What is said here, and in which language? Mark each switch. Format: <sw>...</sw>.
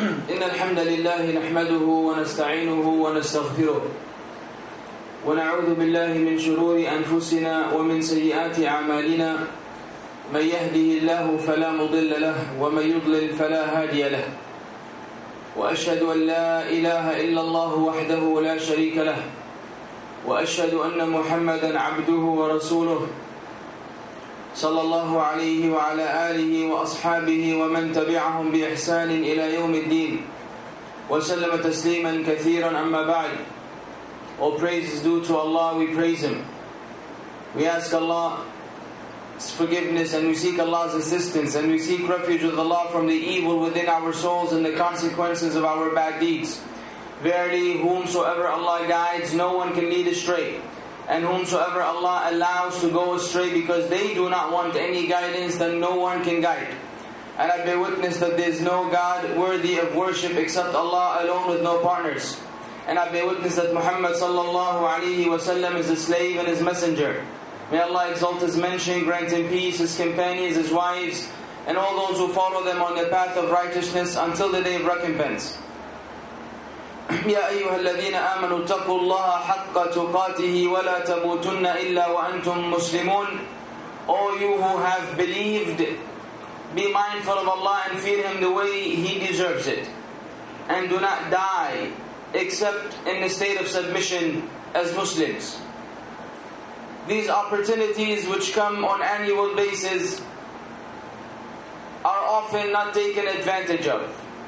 <ar>إن الحمد لله نحمده ونستعينه ونستغفره ونعوذ بالله من شرور أنفسنا ومن سيئات أعمالنا، من يهده الله فلا مضل له ومن يضلل فلا هادي له، وأشهد أن لا إله إلا الله وحده لا شريك له، وأشهد أن محمدا عبده ورسوله صلى الله عليه وعلى آله وأصحابه ومن تبعهم بإحسان إلى يوم الدين وسلم تسليما كثيرا. أما بعد،</ar> <en>all praise is due to Allah, we praise Him. We ask Allah's forgiveness and we seek Allah's assistance and we seek refuge with Allah from the evil within our souls and the consequences of our bad deeds. Verily, whomsoever Allah guides, no one can lead astray. And whomsoever Allah allows to go astray because they do not want any guidance, then no one can guide. And I bear witness that there is no God worthy of worship except Allah alone with no partners. And I bear witness that Muhammad sallallahu alayhi wa sallam is his slave and his messenger. May Allah exalt his mention, grant him peace, his companions, his wives, and all those who follow them on the path of righteousness until the day of recompense.</en> <ar>يا أيها الذين آمنوا اتقوا الله حق تقاته ولا تموتن إلا وأنتم مسلمون.</ar> <en>All you who have believed, be mindful of Allah and fear Him the way He deserves it, and do not die except in the state of submission as Muslims. These opportunities which come on annual basis are often not taken advantage of.</en>